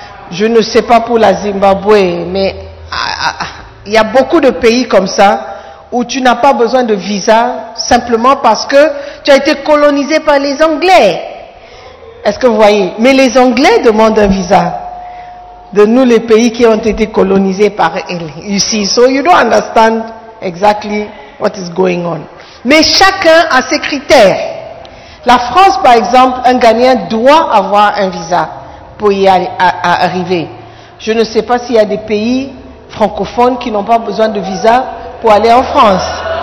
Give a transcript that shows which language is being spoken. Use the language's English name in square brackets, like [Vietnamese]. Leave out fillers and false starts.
[French] Je ne sais pas pour la Zimbabwe, mais il y a beaucoup de pays comme ça où tu n'as pas besoin de visa simplement parce que tu as été colonisé par les Anglais. Est-ce que vous voyez? Mais les Anglais demandent un visa de nous, les pays qui ont été colonisés par eux. [English] You see, so you don't understand exactly what is going on. [French] Mais chacun a ses critères. La France, par exemple, un Ghanéen doit avoir un visa pour y aller, à arriver. Je ne sais pas s'il y a des pays francophones qui n'ont pas besoin de visa pour aller en France.